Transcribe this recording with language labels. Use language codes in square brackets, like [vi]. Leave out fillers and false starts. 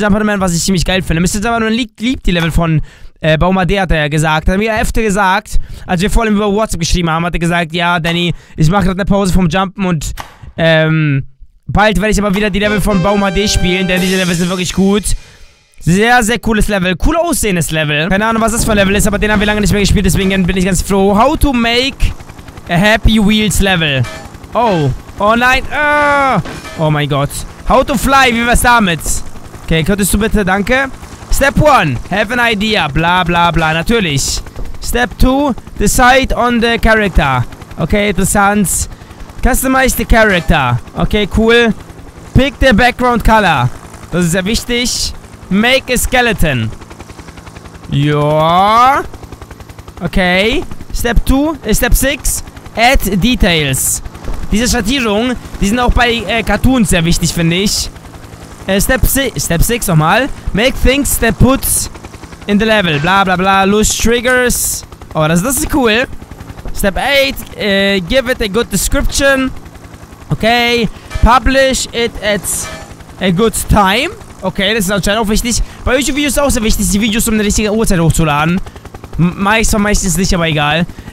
[de] Jumperman, was ich ziemlich geil finde. Mr. Jumperman liebt die Level von Baum HD, hat er ja gesagt. Hat er mir öfter gesagt, als wir vor allem über WhatsApp geschrieben haben, hat er gesagt, ja, Danny, ich mache gerade eine Pause vom Jumpen und bald werde ich aber wieder die Level von Baum HD spielen, denn diese Level sind wirklich gut. Sehr, sehr cooles Level. Cool aussehendes Level. Keine Ahnung, was das für ein Level ist, aber den haben wir lange nicht mehr gespielt, deswegen bin ich ganz froh. [en] How to make a Happy Wheels Level. [de] Oh. Oh nein. Oh mein Gott. [en] How to fly, [de] wie wär's damit? Okay, könntest du bitte, danke. [en] Step 1. Have an idea. Bla, bla, bla. [de] Natürlich. [en] Step 2. Decide on the character. [de] Okay, interessant. [en] Customize the character. Okay, cool. Pick the background color. [de] Das ist sehr wichtig. [en] Make a skeleton. Ja. Okay. Step 2. Step 6. Add details. [de] Diese Schattierungen, die sind auch bei Cartoons sehr wichtig, finde ich. [en] Step 6 [de] nochmal. [en] Make things that put in the level. [de] Bla bla bla. [en] Loose triggers. [de] Oh, das ist cool. [en] Step 8. Give it a good description. Okay. Publish it at a good time. [de] Okay, das ist anscheinend auch wichtig. Bei YouTube-Videos ist auch sehr wichtig, die Videos um eine richtige Uhrzeit hochzuladen. Meistens nicht, aber egal.